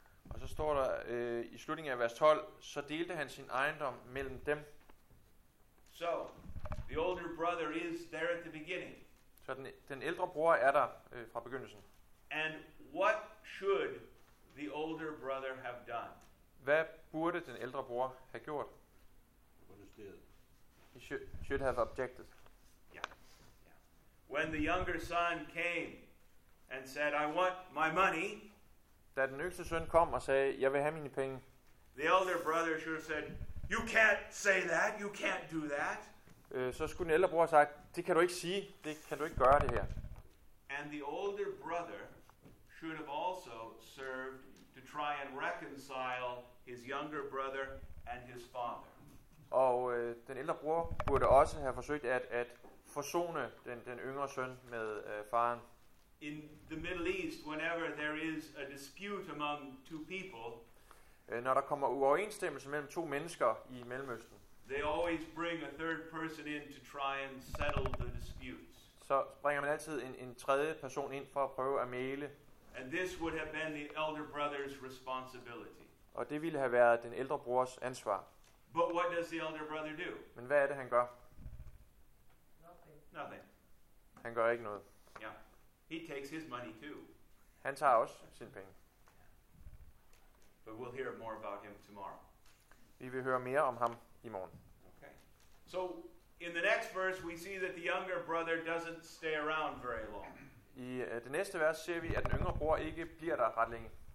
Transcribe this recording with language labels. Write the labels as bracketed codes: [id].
[da] Og så står der i slutningen af vers 12, så delte han sin ejendom mellem dem. [en] So, the older brother is there at the beginning. [da] Så den ældre bror er der fra begyndelsen. [en] And what should the older brother have done? [da] Hvad burde den ældre bror have gjort? Protesteret. [en] He should have objected. Yeah. Yeah. When the younger son came and said, I want my money. [da] Da den yngste søn kom og sagde, jeg vil have mine penge. [en] The elder brother should have said, you can't say that, you can't do that. [da] Så skulle den ældre bror have sagt, det kan du ikke sige, det kan du ikke gøre det her. [en] And the older brother should have also served to try and reconcile his younger brother and his father. [da] Og den ældre bror burde også have forsøgt at forsone den yngre søn med faren. [en] In the Middle East, whenever there is a dispute among two people, [da] når der kommer uoverensstemmelse mellem to mennesker i Mellemøsten. [en] They always bring a third person in to try and settle the disputes. [da] Så bringer man altid en tredje person ind for at prøve at mægle. [en] And this would have been the elder brother's responsibility. [da] Og det ville have været den ældre brors ansvar. [en] But what does the elder brother do? [da] Men hvad er det han gør? [en] Nothing. [da] Han gør ikke noget. [en] Yeah. He takes his money too. [da] Han tager også sin penge. [en] But we'll hear more about him tomorrow. [da] Vi vil høre mere om ham i morgen. [en] Okay. So in the next verse we see that the younger brother doesn't stay around very long. [da] I det næste vers ser vi at den yngre bror ikke bliver der ret længe.